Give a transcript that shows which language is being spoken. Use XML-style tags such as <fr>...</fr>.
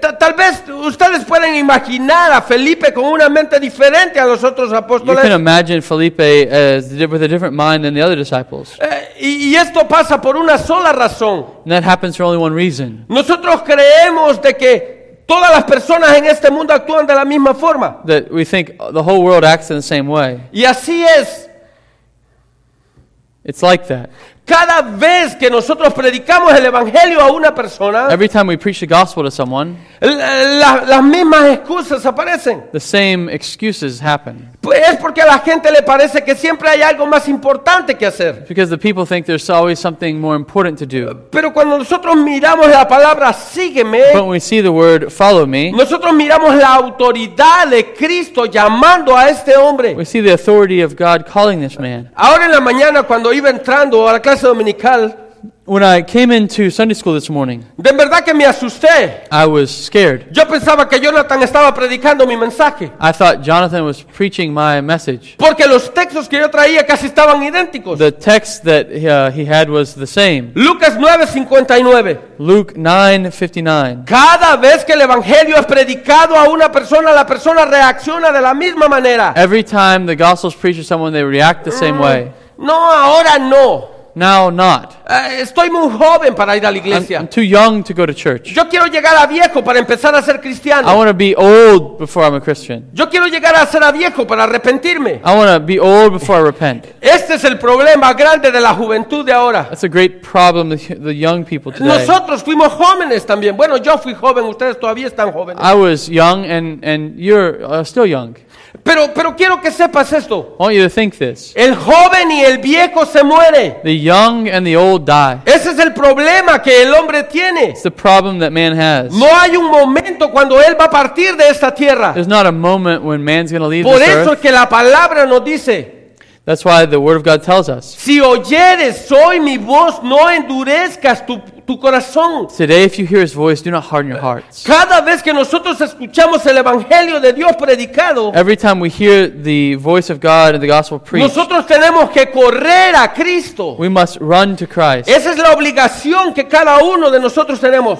<es>Tal vez ustedes pueden imaginar a Felipe con una mente diferente a los otros apóstoles.</es> <en>You can imagine Felipe with a different mind than the other disciples.</en> <es>Y esto pasa por una sola razón.</es> <en>And that happens for only one reason.</en> <es>Nosotros creemos de que todas las personas en este mundo actúan de la misma forma.</es> <en>That we think the whole world acts in the same way.</en> <es>Y así es.</es> <en>It's like that.</en> <es>Cada vez que nosotros predicamos el evangelio a una persona,</es> <en>every time we preach the gospel to someone,</en> <es>las mismas excusas aparecen.</es> <en>The same excuses happen.</en> <es>Pues es porque a la gente le parece que siempre hay algo más importante que hacer.</es> <en>Because the people think there's always something more important to do.</en> <es>Pero cuando nosotros miramos la palabra sígueme,</es> <en>when we see the word follow me,</en> <es>nosotros miramos la autoridad de Cristo llamando a este hombre.</es> <en>We see the authority of God calling this man.</en> <es>Ahora en la mañana cuando iba entrando a la clase dominical,</es> <en>when I came into Sunday school this morning,</en> <es>de verdad que me asusté.</es> <en>I was scared.</en> <es>Yo pensaba que Jonathan estaba predicando mi mensaje.</es> <en>I thought Jonathan was preaching my message.</en> <es>Porque los textos que yo traía casi estaban idénticos.</es> <en>The text that he had was the same.</en> <es>Lucas 9:59.</es> <en>Luke 9:59.</en> <es>Cada vez que el evangelio es predicado a una persona, la persona reacciona de la misma manera.</es> <en>Every time the gospel is preached to someone, they react the same way.</en> <es>No, ahora no.</es> <en>Now not.</en> <es>Estoy muy joven para ir a la iglesia.</es> <en>I'm too young to go to church.</en> <es>Yo quiero llegar a viejo para empezar a ser cristiano.</es> <en>I want to be old before I'm a Christian.</en> <es>Yo quiero llegar a ser a viejo para arrepentirme.</es> <en>I want to be old before I repent.</en> <es>Este es el problema grande de la juventud de ahora. That's a great problem with the young people today. Nosotros fuimos jóvenes también. Bueno, yo fui joven, ustedes todavía están jóvenes.</es> <en>I was young and you're still young.</en> <es>Pero quiero que sepas esto.</es> <en>I want you to think this.</en> <es>El joven y el viejo se muere.</es> <en>The young and the old die.</en> <es>Ese es el problema que el hombre tiene.</es> <en>It's the problem that man has.</en> <es>No hay un momento cuando él va a partir de esta tierra.</es> <en>There's not a moment when man's going to leave</en> <es>Por</es> <en>this earth.</en> <es>Por eso es que la palabra nos dice.</es> <en>That's why the word of God tells us.</en> <es>Si oyeres hoy mi voz, no endurezcas tu corazón.</es> <en>Today, if you hear His voice, do not harden your hearts.</en> <es>Cada vez que nosotros escuchamos el evangelio de Dios predicado,</es> <en>every time we hear the voice of God and the gospel preached,</en> <es>nosotros tenemos que correr a Cristo.</es> <en>We must run to Christ.</en> <es>Esa es la obligación que cada uno de nosotros tenemos.</es>